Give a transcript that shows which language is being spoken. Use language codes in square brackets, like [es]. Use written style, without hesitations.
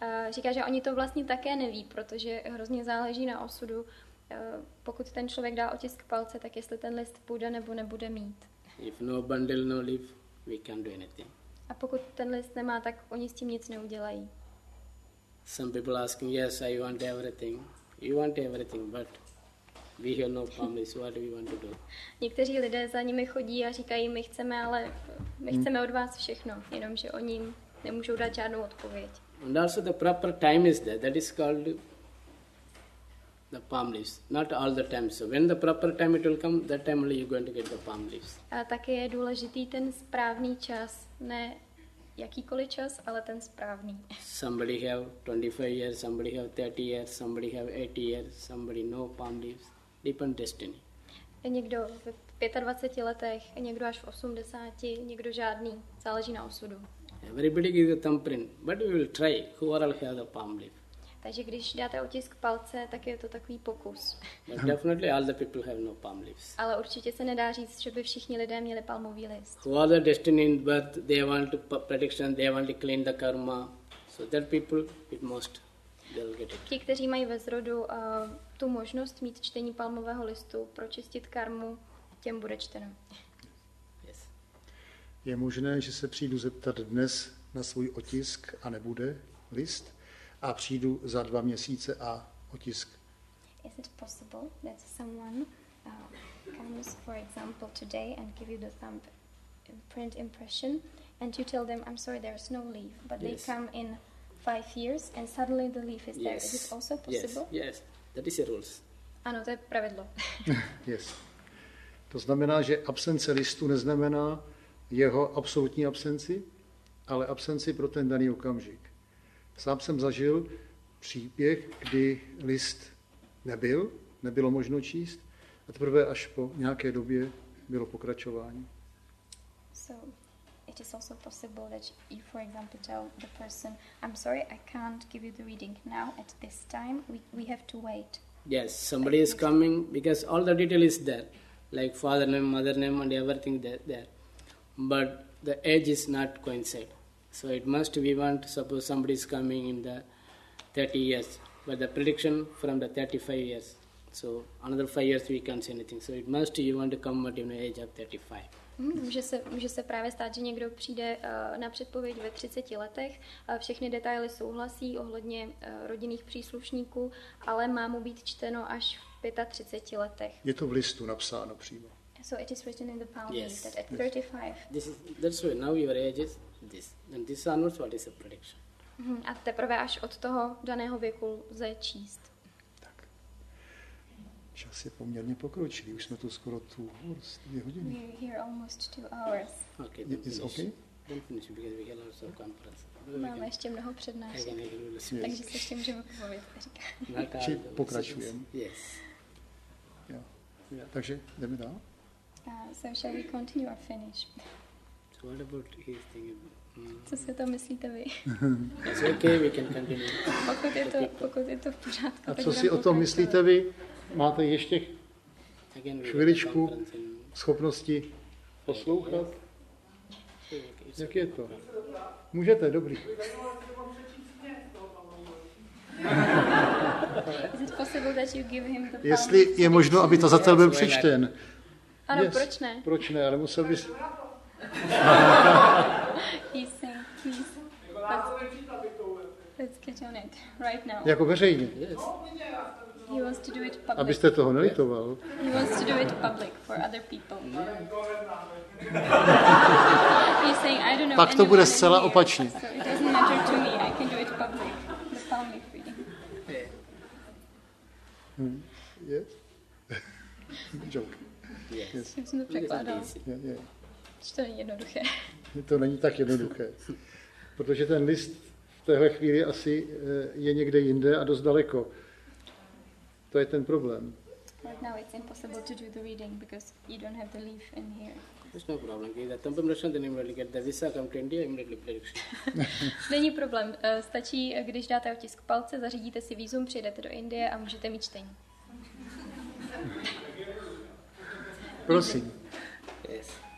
[cs] Říká, že oni to vlastně také neví, protože hrozně záleží na osudu. Pokud ten člověk dá otisk palce, tak jestli ten list půjde nebo nebude mít. [en] If no bundle, no leaf, we can't do anything. [cs] A pokud ten list nemá, tak oni s tím nic neudělají. [en] Some people asking, yes, I want everything. You want everything, but we have no palm leaves. What do we want to do? [cs] Někteří lidé za nimi chodí a říkají, my chceme, ale my chceme od vás všechno, jenomže oni jim nemůžou dát žádnou odpověď. [en] And also the proper time is there. That is called the palm leaves. Not all the time. So when the proper time it will come, that time only you're going to get the palm leaves. [cs] A taky je důležitý ten správný čas. Ne jakýkoliv čas, ale ten správný. [en] Somebody have 25 years, somebody have 30 years, somebody have 80 years, somebody no palm leaves. Depend destiny. [cs] Někdo v 25 letech, někdo až v 80, někdo žádný. Záleží na osudu. [en] Everybody give a thumbprint, but we will try. Who all have the palm leaf? [cs] Takže když dáte otisk palce, tak je to takový pokus. [en] But definitely all the people have no palm leaves. [cs] Ale určitě se nedá říct, že by všichni lidé měli palmový list. [en] Who are the destined birth, they want to prediction, they want to clean the karma. So that people, it most, they'll get it. [cs] Ti, kteří mají ve zrodu tu možnost mít čtení palmového listu, pročistit karmu, těm bude čteno. [en] Yes. [cs] Je možné, že se přijdu zeptat dnes na svůj otisk a nebude list? A přijdu za dva měsíce a otisk. [en] Is it possible that someone comes, for example, today and give you the thumb print impression and you tell them, I'm sorry, there's no leaf, but they come in 5 years and suddenly the leaf is there. Is it also possible? Yes, that is the rules. [cs] Ano, to je pravidlo. [en] Yes. [cs] To znamená, že absence listu neznamená jeho absolutní absenci, ale absenci pro ten daný okamžik. Sám jsem zažil příběh, kdy list nebyl, nebylo možno číst, a teprve až po nějaké době bylo pokračování. [en] So, it is also possible that you, for example, tell the person, I'm sorry, I can't give you the reading now at this time. We have to wait. Yes, somebody is coming because all the detail is there, like father name, mother name, and everything there. But the age is not coincide. So it must be want, suppose somebody is coming in the 30 years, but the prediction from the 35 years. So another 5 years we can't say anything. So it must you want to come at an age of 35. [cs] Může se právě stát, že někdo přijde na předpověď ve 30 letech, všechny detaily souhlasí ohledně rodinných příslušníků, ale má mu být čteno až v 35 letech. Je to v listu napsáno přímo. [en] So it is written in the palm leaf that at 35. This is, that's why now your age is. This onwards, what is a prediction? [cs] A teprve až od toho daného věku lze číst. Tak. Čas je poměrně pokročilý. Už jsme tu skoro [en] 2 hours, [cs] 2 hodiny. [en] We're here almost 2 hours. Okay, then is okay? Don't finish because we have lots of conference. [cs] Máme ještě mnoho přednášek. Takže se ještě můžeme povědět. Či pokračujeme? [en] Yes. [cs] Yeah. Takže jdeme dál? [en] So shall we continue or finish? What about his thing? Mm-hmm. [cs] Co si to myslíte vy? [en] It's okay, we can continue. [cs] Pokud je to v pořádku. A co si o tom myslíte vy? Máte ještě chviličku schopnosti poslouchat? Yes. Jak je to? Můžete, dobrý. [en] Is it possible that you give him the [cs] Jestli je možno, aby to zatel byl přečten. Ano, yes. Proč ne? Proč ne, ale musel bys... [en] He's saying, please. Let's get on it right now. [cs] Jako veřejně. [en] Yes. He wants to do it public. [cs] Abyste toho nelitoval. [en] He wants to do it public for other people. He's saying, I don't know. [cs] Pak to bude zcela opačně. [en] So it doesn't matter to me. I can do it public. The palm leaf reading. Yes. Joke. Yes. [cs] Já jsem to překládal. To není jednoduché. To není tak jednoduché, protože ten list v téhle chvíli asi je někde jinde a dost daleko. To je ten problém. [en] Right now it's impossible to do the reading because you don't have the leaf in here. There's no problem. Either the permission then immediately get the visa, come to India, immediately prediction. [cs] Není problém. Stačí, když dáte otisk palce, zařídíte si vízum, přijedete do Indie a můžete mít čtení. Prosím. [en] Yes.